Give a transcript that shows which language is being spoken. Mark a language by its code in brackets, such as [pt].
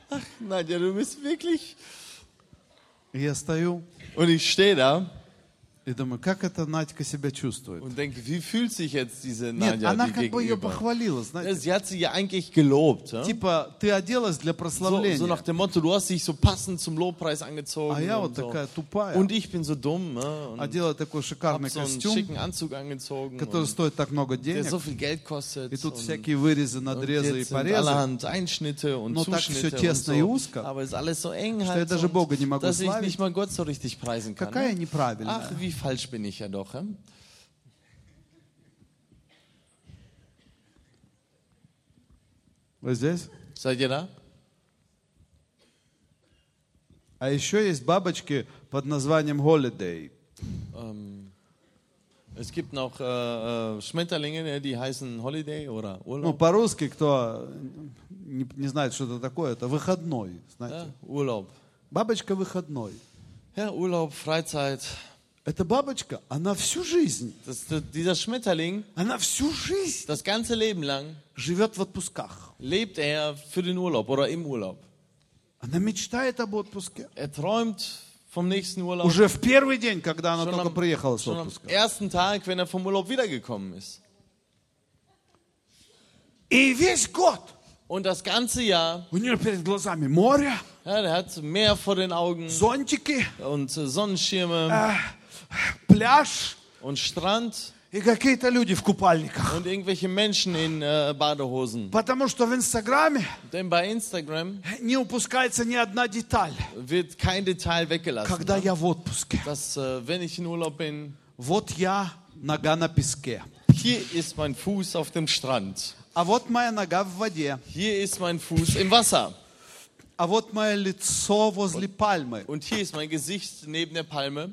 [de] Ach, Nadja, du bist wirklich. [ru] Я стою. [de] Und ich stehe da. Ich denke, [ru] как это Надька себя чувствует? [de] Und denke, wie fühlt sich jetzt diese Nadja gegenüber? Sie hat sie ja eigentlich gelobt. [ru] Типа, ты оделась для прославления. [de] So nach dem Motto, du hast dich so passend zum Lobpreis angezogen. [ru] А я вот такая тупая. [de] Und ich bin so dumm. [ru] Одела такой шикарный костюм. [de] Hab so einen schicken Anzug angezogen. [ru] Который стоит так много денег. [de] Der so viel Geld kostet. [ru] И тут всякие вырезы, надрезы и порезы. [de] Allerhand Einschnitte und Zuschnitte. Aber es ist alles so eng. [ru] Что я даже Бога не могу славить. [de] Dass ich nicht mal Gott so richtig preisen kann. [ru] Какая неправильная. [de] Ach, wie falsch bin ich ja doch. Was ist das? Seid ihr da? [ru] А еще есть бабочки под названием Holiday. [de] Es gibt noch Schmetterlinge, die heißen Holiday oder Urlaub. [ru] Ну, по-русски, кто не знает, что это такое, это выходной, знаете. [de] Ja, Urlaub. [ru] Бабочка выходной. [de] Ja, Urlaub, Freizeit. [ru] Эта бабочка, она всю жизнь. [de] Das, dieser Schmetterling. [ru] Она всю жизнь. [de] Das ganze Leben lang. [ru] Живет в отпусках. [de] Lebt er für den Urlaub oder im Urlaub. [ru] Она мечтает об отпуске. [de] Er träumt vom nächsten Urlaub. [ru] Уже в первый день, когда она только приехала с отпуска. [de] Schon am ersten Tag, wenn er vom Urlaub wiedergekommen ist. [ru] И весь год. [de] Und das ganze Jahr. [ru] У нее перед глазами море. [de] Ja, er hat Meer vor den Augen. Sonntige. Und Sonnenschirme. [ru] Пляж. [de] Und Strand. [ru] И какие-то люди в купальниках. [de] Und irgendwelche Menschen in Badehosen. [ru] Потому что в Инстаграме. [de] Denn bei Instagram. [ru] Не упускается ни одна деталь. [de] Wird kein Detail weggelassen. [ru] Когда я в отпуске. [de] Dass, wenn ich in Urlaub bin. [ru] Вот я, нога на песке. [de] Hier ist mein Fuß auf dem Strand. [ru] А вот моя нога в воде. [de] Hier ist mein Fuß im Wasser. [ru] А вот мое лицо возле пальмы. [de] Und hier ist mein Gesicht neben der Palme.